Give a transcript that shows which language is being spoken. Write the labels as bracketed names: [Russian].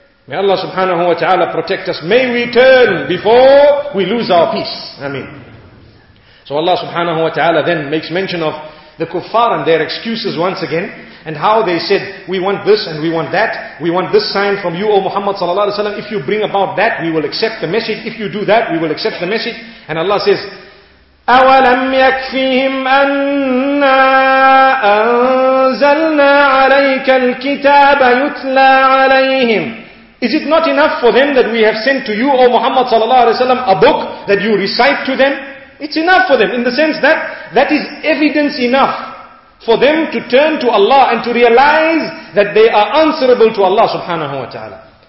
[English] May Allah subhanahu wa ta'ala protect us. May we turn before we lose our peace. Ameen. So Allah subhanahu wa ta'ala then makes mention of the kuffar and their excuses once again, and how they said, we want this and we want that, we want this sign from you, O Muhammad sallallahu alaihi wasallam. If you bring about that, we will accept the message. If you do that, we will accept the message. And Allah says, [Arabic] أَوَلَمْ يَكْفِهِمْ أَنَّا أَنزَلْنَا عَلَيْكَ الْكِتَابَ يُتْلَى عَلَيْهِمْ. [English] Is it not enough for them that we have sent to you, O Muhammad sallallahu alaihi wasallam, a book that you recite to them? It's enough for them, in the sense that that is evidence enough for them to turn to Allah and to realize that they are answerable to Allah subhanahu wa ta'ala.